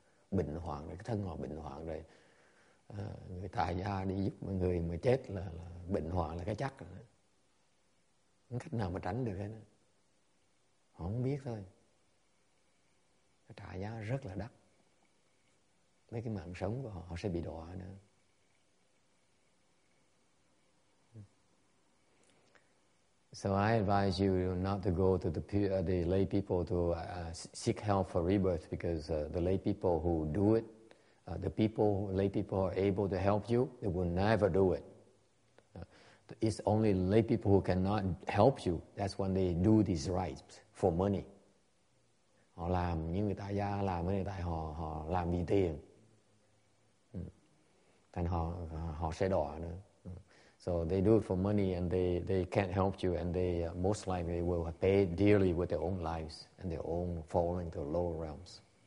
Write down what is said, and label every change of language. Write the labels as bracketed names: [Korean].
[Vietnamese] Bệnh hoạn rồi, cái thân họ bệnh hoạn rồi. À, người tại gia đi giúp mọi người mà chết là bệnh hoạn là cái chắc rồi. Không cách nào mà tránh được hết. Họ không biết thôi. Trả giá rất là đắt. Mấy cái mạng sống của họ, họ sẽ bị đọa nữa. [English] So I advise you not to go to the lay people to seek help for rebirth, because the lay people who do it, the lay people who are able to help you, they will never do it. It's only lay people who cannot help you. That's when they do these rites for money. [Vietnamese] Họ làm như người tại gia làm cái này, tại họ làm vì tiền. Thành họ sẽ đọa nữa. [English] So they do it for money and they can't help you, and they most likely will pay dearly with their own lives and their own falling to lower realms.